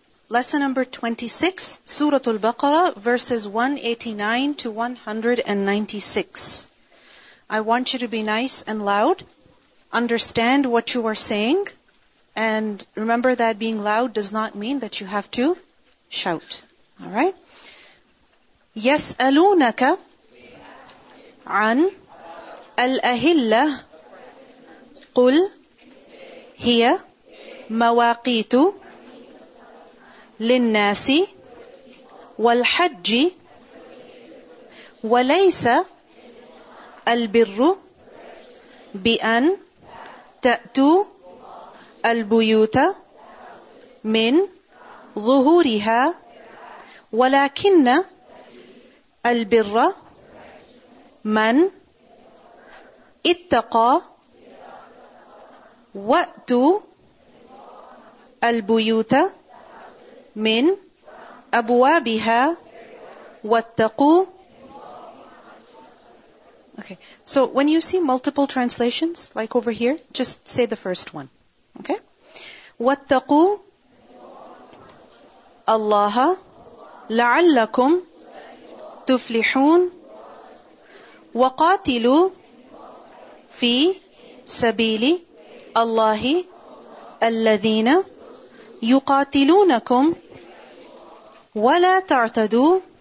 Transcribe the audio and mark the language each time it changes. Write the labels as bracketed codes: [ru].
[en] Lesson number 26, Surah Al-Baqarah, verses 189 to 196. I want you to be nice and loud. Understand what you are saying. And remember that being loud does not mean that you have to shout. All right? [ar] يَسْأَلُونَكَ عَنْ الْأَهِلَّةِ قُلْ هِيَ مواقيت للناس والحج وليس البر بأن تأتوا البيوت من ظهورها ولكن البر من اتقى وأتوا البيوت من أبوابها واتقوا. [en] Okay, so when you see multiple translations, like over here, just say the first one. Okay? [ar] واتقوا الله لعلكم تفلحون وقاتلوا في سبيل الله الذين يقاتلونكم ولا تعتدوا